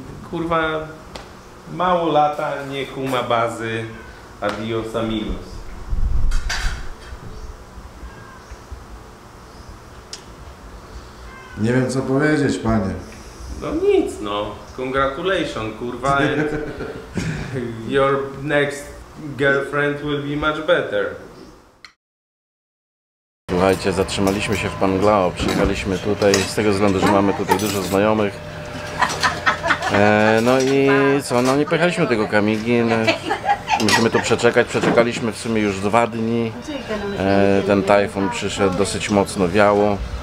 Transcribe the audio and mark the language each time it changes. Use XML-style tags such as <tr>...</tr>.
<pl>Kurwa, mało lata, nie kuma bazy.</pl> <es>Adios, amigos.</es> <pl>Nie wiem, co powiedzieć, panie. No nic, no. Congratulations, kurwa.</pl> <en>Your next girlfriend will be much better.</en> <pl>Słuchajcie, zatrzymaliśmy się w Panglao. Przyjechaliśmy tutaj z tego względu, że mamy tutaj dużo znajomych. No i co? No nie pojechaliśmy tego Kamigin. Musimy to przeczekać. Przeczekaliśmy w sumie już 2 dni. Ten tajfun przyszedł, dosyć mocno wiało.</pl>